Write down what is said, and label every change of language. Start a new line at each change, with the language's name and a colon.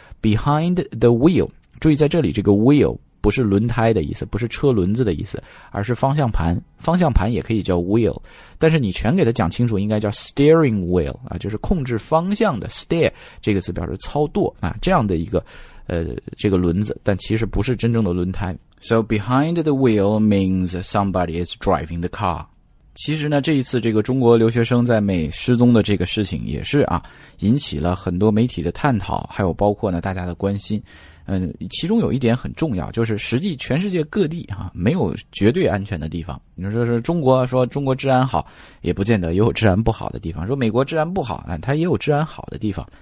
English: behind the wheel，
Chinese: 注意在这里这个 wheel 不是轮胎的意思，不是车轮子的意思，而是方向盘，方向盘也可以叫 wheel， 但是你全给它讲清楚应该叫 steering wheel 啊，就是控制方向的 steer 这个词表示操舵啊，这样的一个这个轮子，但其实不是真正的轮胎。
English: So behind the wheel means somebody is driving the car。
Chinese: 其实呢这一次这个中国留学生在美失踪的这个事情也是啊引起了很多媒体的探讨，还有包括呢大家的关心。其中有一点很重要，就是实际全世界各地啊没有绝对安全的地方。你说是中国，说中国治安好也不见得也有治安不好的地方，说美国治安不好它也有治安好的地方。